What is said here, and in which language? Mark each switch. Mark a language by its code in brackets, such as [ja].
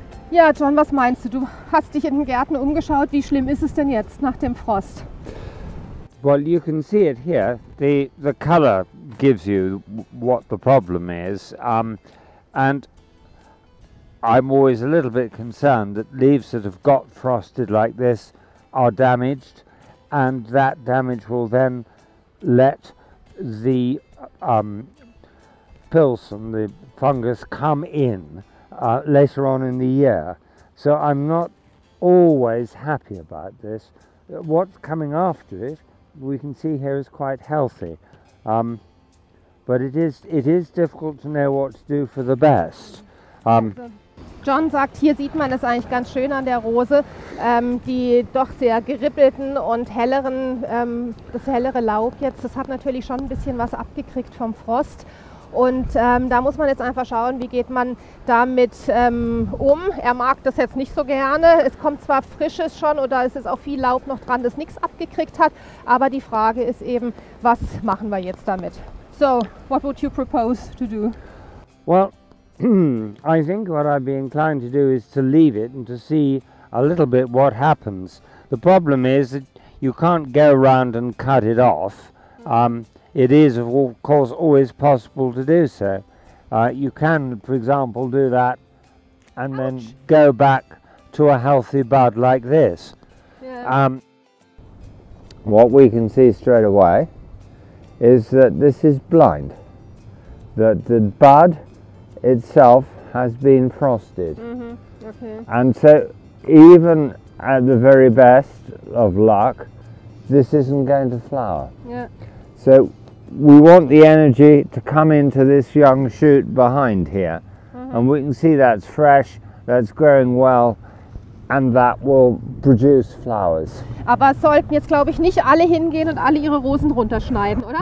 [de] Ja, John, was meinst du? Du hast dich in den Gärten umgeschaut. Wie schlimm ist es denn jetzt nach dem Frost? [en] Well, you can see it here. The color gives you what the problem is. And I'm always a little bit concerned that leaves that have got frosted like this are damaged, and that damage will then let the pills and the fungus come in. Later on in the year. So I'm not always happy about this. What's coming after it, we can see here, is quite healthy. But it is difficult to know what to do for the best. John sagt, hier sieht man es eigentlich ganz schön an der Rose, die doch sehr gerippelten und helleren, das hellere Laub jetzt, das hat natürlich schon ein bisschen was abgekriegt vom Frost. Und da muss man jetzt einfach schauen, wie geht man damit um. Er mag das jetzt nicht so gerne. Es kommt zwar Frisches schon oder es ist auch viel Laub noch dran, das nichts abgekriegt hat. Aber die Frage ist eben, was machen wir jetzt damit? So, what would you propose to do? Well, I think what I'd be inclined to do is to leave it and to see a little bit what happens. The problem is that you can't go around and cut it off. It is, of course, always possible to do so. You can, for example, do that and Ouch. Then go back to a healthy bud like this. Yeah. What we can see straight away is that this is blind, that the bud itself has been frosted. Mm-hmm. Okay. And so even at the very best of luck, this isn't going to flower. Yeah. So we want the energy to come into this young shoot behind here. Mm-hmm. And we can see that's fresh, that's growing well, and that will produce flowers. [de] Aber sollten jetzt, glaube ich, nicht alle hingehen und alle ihre Rosen runterschneiden, oder?